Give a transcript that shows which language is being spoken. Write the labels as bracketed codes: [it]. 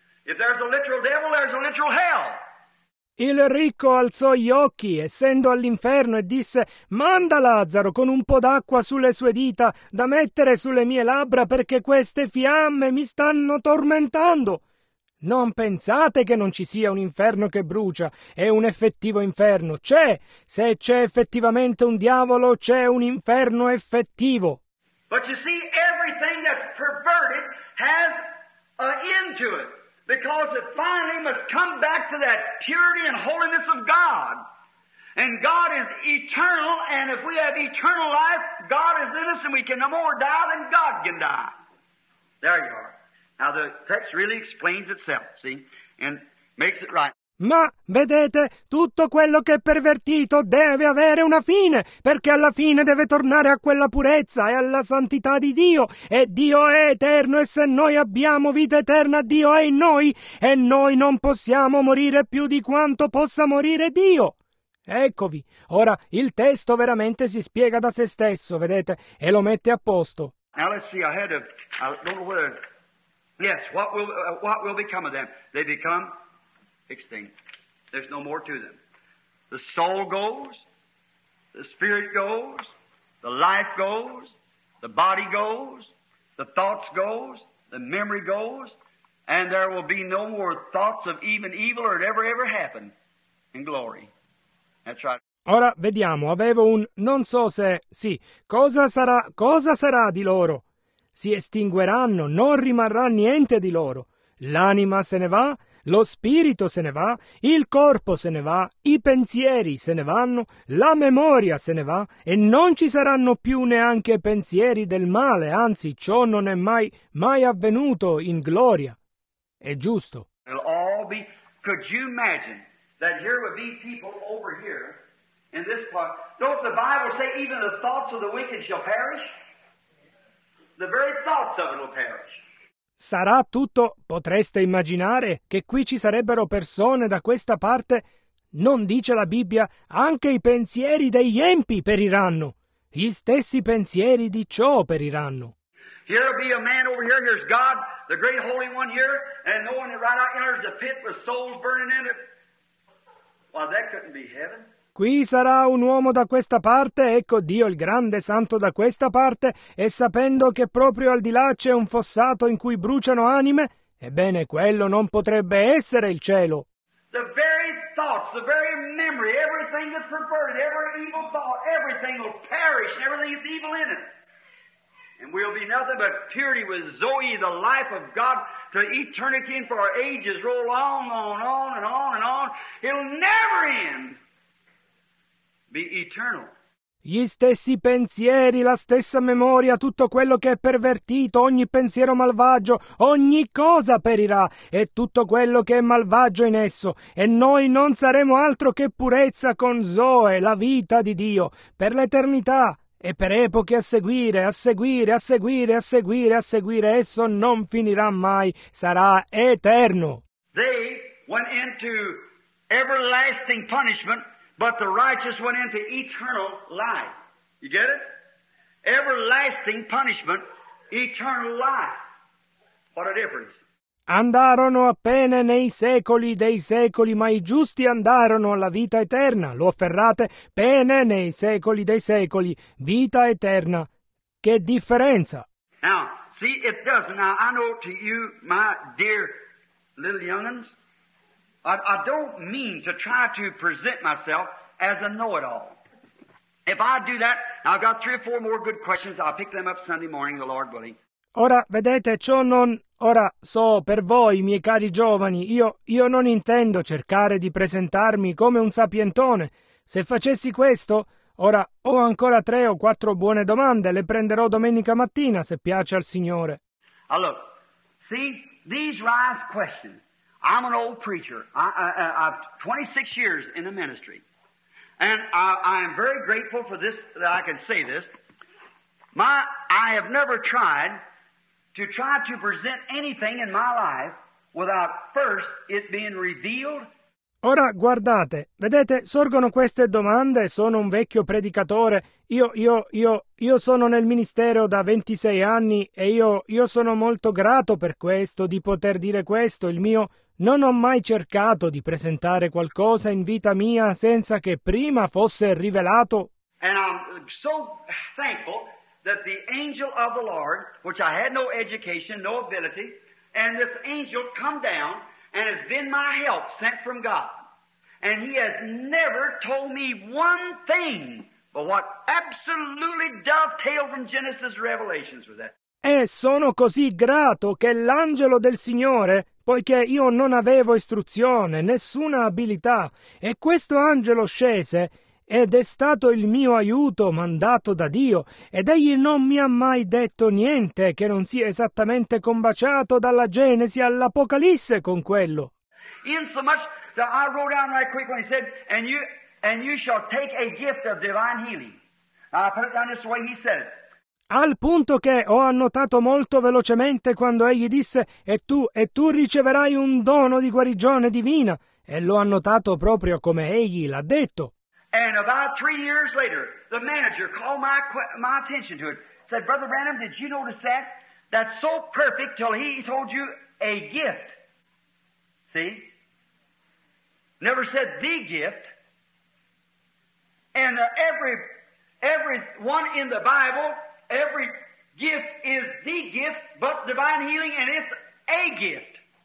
[en] If there's a literal devil, there's a literal hell. [it] Il ricco alzò gli occhi, essendo all'inferno, e disse, manda Lazzaro con un po' d'acqua sulle sue dita da mettere sulle mie labbra, perché queste fiamme mi stanno tormentando. Non pensate che non ci sia un inferno che brucia, è un effettivo inferno. C'è, se c'è effettivamente un diavolo, c'è un inferno effettivo. [en] But you see, everything that's perverted has an end to it. Because it finally must come back to that purity and holiness of God. And God is eternal, and if we have eternal life, God is in us, and we can no more die than God can die. There you are. Now the text really explains itself, see, and makes it right. [it] Ma, vedete, tutto quello che è pervertito deve avere una fine, perché alla fine deve tornare a quella purezza e alla santità di Dio, e Dio è eterno, e se noi abbiamo vita eterna, Dio è in noi, e noi non possiamo morire più di quanto possa morire Dio. Eccovi, ora il testo veramente si spiega da se stesso, vedete, e lo mette a posto. [en] Now let's see, ahead of, don't know where, yes, what will become of them? They become extinct. There's no more to them. The soul goes, the spirit goes, the life goes, the body goes, the thoughts goes, the memory goes, and there will be no more thoughts of even evil or it ever happen in glory. That's right. [it] Ora vediamo, avevo un non so se, sì, cosa sarà di loro? Si estingueranno, non rimarrà niente di loro. L'anima se ne va. Lo spirito se ne va, il corpo se ne va, i pensieri se ne vanno, la memoria se ne va, e non ci saranno più neanche pensieri del male, anzi, ciò non è mai avvenuto in gloria. È giusto. [en] It'll all be, could you imagine that here would be people over here, in this part, don't the Bible say even the thoughts of the wicked shall perish? The very thoughts of it will perish. [it] Sarà tutto, potreste immaginare che qui ci sarebbero persone da questa parte? Non dice la Bibbia, anche i pensieri degli empi periranno. Gli stessi pensieri di ciò periranno. [en] Here be a man over here, here's God, the great holy one here, and knowing that right out enters the pit with souls burning in it. Well, that couldn't be heaven. [it] Qui sarà un uomo da questa parte, ecco Dio il grande santo da questa parte, e sapendo che proprio al di là c'è un fossato in cui bruciano anime, ebbene quello non potrebbe essere il cielo. [en] The very thoughts, the very memory, everything that's perverted, every evil thought, everything will perish, everything is evil in it. And we'll be nothing but purity with Zoe, the life of God, to eternity and for our ages, roll on, on, on, and on, and on. It'll never end. Be eternal. [it] Gli stessi pensieri, la stessa memoria, tutto quello che è pervertito, ogni pensiero malvagio, ogni cosa perirà, e tutto quello che è malvagio in esso, e noi non saremo altro che purezza con Zoe, la vita di Dio, per l'eternità, e per epoche a seguire, a seguire, a seguire, a seguire, a seguire, esso non finirà mai, sarà eterno. [en] They went into everlasting punishment. But the righteous went into eternal life. You get it? Everlasting punishment, eternal life. What a difference. [it] Andarono appena nei secoli dei secoli, ma i giusti andarono alla vita eterna. Lo afferrate? Pene nei secoli dei secoli, vita eterna. Che differenza! [en] Now, see, it doesn't. Now, I know to you, my dear little young'uns, I don't mean to try to present myself as a know-it-all. If I do that, I've got three or four more good questions. I'll pick them up Sunday morning, the Lord willing. [it] Ora, vedete, ciò non... Ora, so, per voi, miei cari giovani, io non intendo cercare di presentarmi come un sapientone. Se facessi questo, ora, ho ancora tre o quattro buone domande, le prenderò domenica mattina, se piace al Signore. [en] Allora, see, these rise questions. I'm an old preacher. I've 26 years in the ministry. And I am very grateful for this, that I can say this. I have never tried to try to present anything in my life without first it being revealed. [it] Ora guardate, vedete, sorgono queste domande, sono un vecchio predicatore, io sono nel ministero da 26 anni e io sono molto grato per questo, di poter dire questo, il mio, non ho mai cercato di presentare qualcosa in vita mia senza che prima fosse rivelato. [en] And I'm so thankful that the angel of the Lord, which I had no education, no ability, and this angel come down and has been my help, sent from God. And he has never told me one thing, but what absolutely dovetailed from Genesis Revelations was that. [it] E sono così grato che l'angelo del Signore, poiché io non avevo istruzione, nessuna abilità, e questo angelo scese, ed è stato il mio aiuto mandato da Dio, ed egli non mi ha mai detto niente che non sia esattamente combaciato dalla Genesi all'Apocalisse con quello. [en] In so much that I wrote down right quick when he said, and you shall take a gift of divine healing. I put it down this way he said it. [it] Al punto che ho annotato molto velocemente quando egli disse, e tu riceverai un dono di guarigione divina, e l'ho annotato proprio come egli l'ha detto. [en] And about 3 years later, the manager called my attention to it. Said, Brother Branham, did you notice that? That's so perfect till he told you a gift. See? Never said the gift. And every one in the Bible, every gift is the gift, but divine healing, and it's a gift.